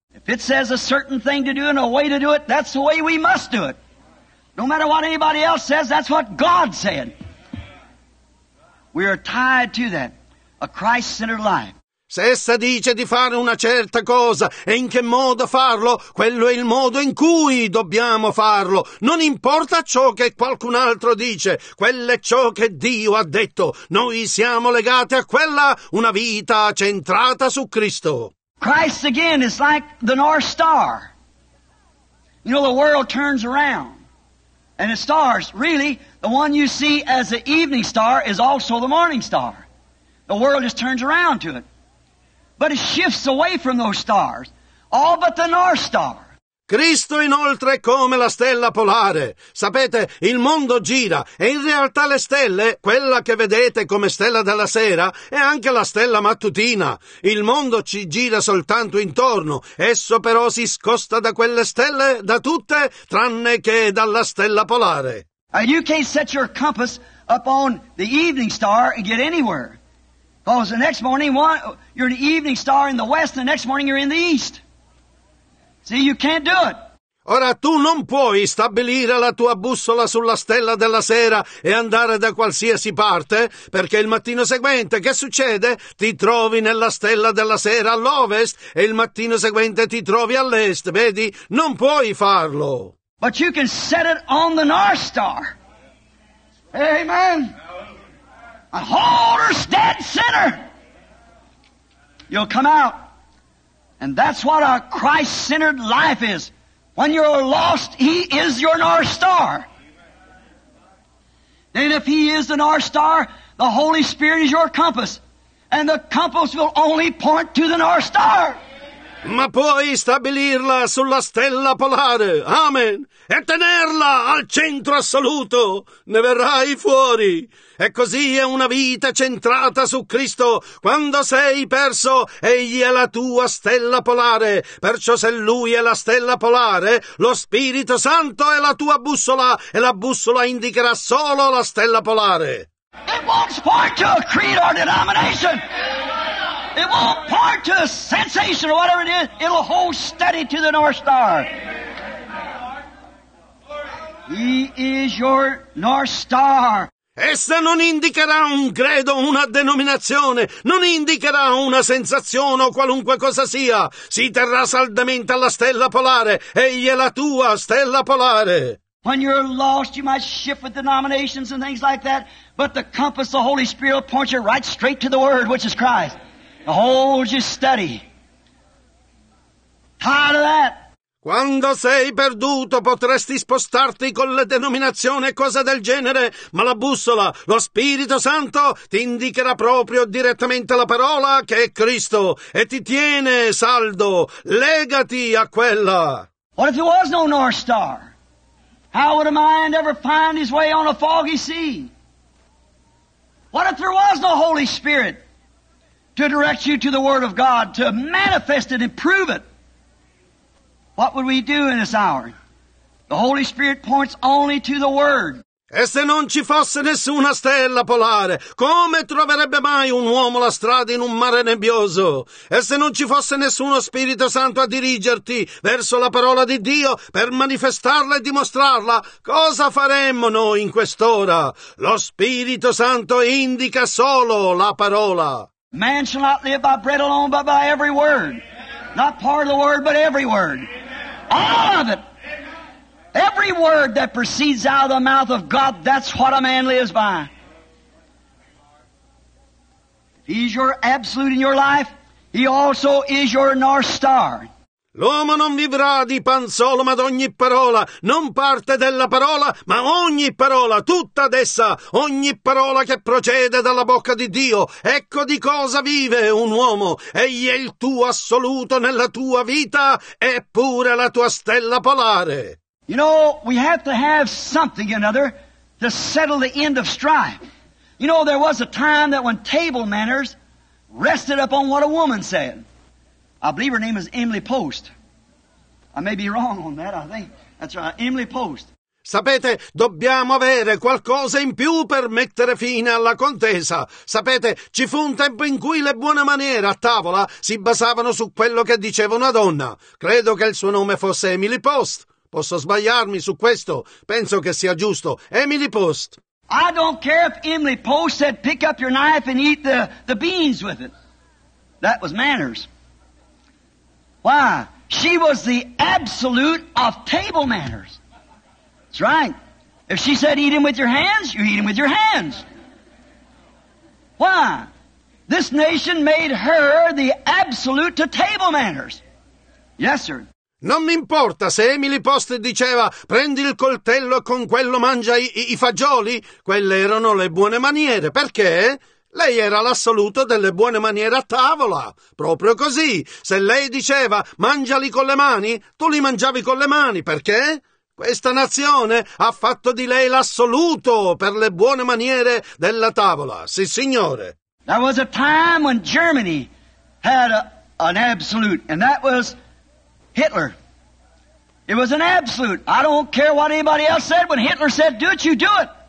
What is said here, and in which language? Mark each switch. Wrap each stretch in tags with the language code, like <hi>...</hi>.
<en>If it says a certain thing to do and a way to do it, that's the way we must do it. No matter what anybody else says, that's what God said. We are tied to that, a Christ-centered life.</en> <it>Se essa dice di fare una certa cosa e in che modo farlo, quello è il modo in cui dobbiamo farlo. Non importa ciò che qualcun altro dice, quello è ciò che Dio ha detto. Noi siamo legati a quella, una vita centrata su Cristo.</it> <en>Christ again is like the North Star. You know, the world turns around. And the stars, really, the one you see as the evening star is also the morning star. The world just turns around to it. But it shifts away from those stars, all but the North Star.</en> <it>Cristo inoltre è come la stella polare. Sapete, il mondo gira e in realtà le stelle, quella che vedete come stella della sera, è anche la stella mattutina. Il mondo ci gira soltanto intorno, esso però si scosta da quelle stelle, da tutte, tranne che dalla stella polare.</it> <en>You can't set your compass up on the evening star and get anywhere. Because the next morning, you're the evening star in the west, the next morning you're in the east. See, you can't do it.</en> <it>Ora tu non puoi stabilire la tua bussola sulla stella della sera e andare da qualsiasi parte, perché il mattino seguente che succede? Ti trovi nella stella della sera all'ovest e il mattino seguente ti trovi all'est, vedi? Non puoi farlo.</it> <en>But you can set it on the North Star. Amen. A whole dead center. You'll come out. And that's what a Christ-centered life is. When you're lost, He is your North Star. Then if He is the North Star, the Holy Spirit is your compass. And the compass will only point to the North Star.</en> <it>Ma puoi stabilirla sulla stella polare. Amen. E tenerla al centro assoluto. Ne verrai fuori. E così è una vita centrata su Cristo. Quando sei perso, Egli è la tua stella polare. Perciò se Lui è la stella polare, lo Spirito Santo è la tua bussola. E la bussola indicherà solo la stella polare.</it> <en>It won't point to a creed or denomination. It won't point to a sensation or whatever it is. It'll hold steady to the North Star. He is your North Star.</en> <it>Essa non indicherà un credo, una denominazione, non indicherà una sensazione o qualunque cosa sia. Si terrà saldamente alla stella polare. Egli è la tua stella polare.</it> <en>When you're lost, you might shift with denominations and things like that, but the compass, the Holy Spirit, will point you right straight to the Word, which is Christ. Hold you steady. Tired of that.</en> <it>Quando sei perduto potresti spostarti con le denominazioni e cose del genere, ma la bussola, lo Spirito Santo, ti indicherà proprio direttamente la parola che è Cristo e ti tiene saldo. Legati a quella.</it> <en>What if there was no North Star? How would a mind ever find his way on a foggy sea? What if there was no Holy Spirit to direct you to the Word of God, to manifest it and prove it? What would we do in this hour? The Holy Spirit points only to the Word.</en> <it>E se non ci fosse nessuna stella polare, come troverebbe mai un uomo la strada in un mare nebbioso? E se non ci fosse nessuno Spirito Santo a dirigerti verso la parola di Dio per manifestarla e dimostrarla, cosa faremmo noi in quest'ora? Lo Spirito Santo indica solo la parola.</it> <en>Man shall not live by bread alone, but by every word. Not part of the word, but every word. All of it. Every word that proceeds out of the mouth of God, that's what a man lives by. He's your absolute in your life. He also is your North Star.</en> <it>L'uomo non vivrà di pan solo, ma d'ogni parola. Non parte della parola, ma ogni parola, tutta d'essa. Ogni parola che procede dalla bocca di Dio. Ecco di cosa vive un uomo. Egli è il tuo assoluto nella tua vita, eppure la tua stella polare.</it> <en>You know, we have to have something or another to settle the end of strife. You know, there was a time that when table manners rested upon what a woman said. I believe her name is Emily Post. I may be wrong on that, I think. That's right, Emily Post.</en> <it>Sapete, dobbiamo avere qualcosa in più per mettere fine alla contesa. Sapete, ci fu un tempo in cui le buone maniere a tavola si basavano su quello che diceva una donna. Credo che il suo nome fosse Emily Post. Posso sbagliarmi su questo? Penso che sia giusto. Emily Post.</it> <en>I don't care if Emily Post said pick up your knife and eat the beans with it. That was manners. Why? She was the absolute of table manners. That's right. If she said eat him with your hands, you eat him with your hands. Why? This nation made her the absolute to table manners. Yes, sir.</en> <it>Non mi importa se Emily Post diceva prendi il coltello e con quello mangia i fagioli. Quelle erano le buone maniere. Perché? Lei era l'assoluto delle buone maniere a tavola. Proprio così. Se lei diceva mangiali con le mani, tu li mangiavi con le mani. Perché? Questa nazione ha fatto di lei l'assoluto per le buone maniere della tavola. Sì, signore.</it> <en>There was a time when Germany had an absolute, and that was Hitler. It was an absolute. I don't care what anybody else said. When Hitler said, do it, you do it.</en>